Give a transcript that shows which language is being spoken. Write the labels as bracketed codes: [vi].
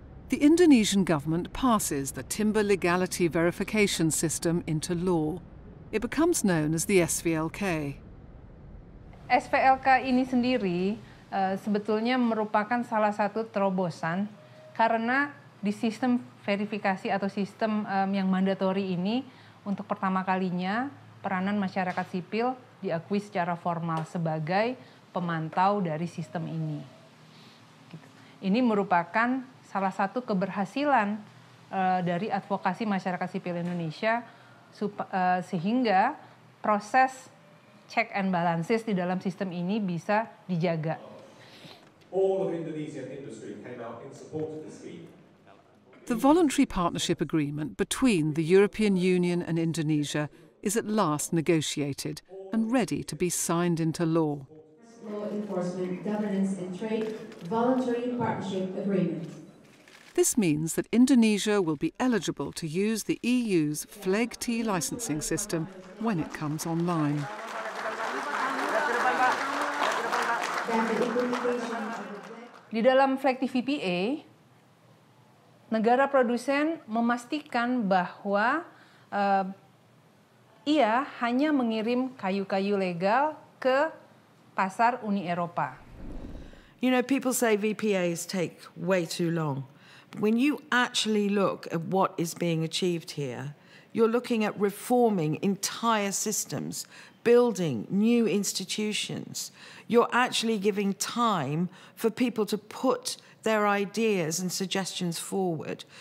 [en] The Indonesian government passes the timber legality verification system into law. It becomes known as the SVLK. [id] SVLK ini sendiri sebetulnya merupakan salah satu terobosan karena di sistem verifikasi atau sistem yang mandatory ini untuk pertama kalinya peranan masyarakat sipil diakui secara formal sebagai pemantau dari sistem ini. Ini merupakan salah satu keberhasilan dari advokasi masyarakat sipil Indonesia sehingga proses [en] check and balances [id] di dalam sistem ini bisa dijaga. [en] All of Indonesian industry came out in support of the scheme. The voluntary partnership agreement between the European Union and Indonesia is at last negotiated and ready to be signed into law. Law enforcement, governance and trade voluntary partnership agreement. This means that Indonesia will be eligible to use the EU's FLEG T licensing system when it comes online. [id] Di dalam FLEG TVPA, negara produsen memastikan bahwa ia hanya mengirim kayu-kayu legal ke pasar Uni Eropa. [en] You know, people say VPAs take way too long. When you actually look at what is being achieved here, you're looking at reforming entire systems, building new institutions. You're actually giving time for people to put their ideas and suggestions forward.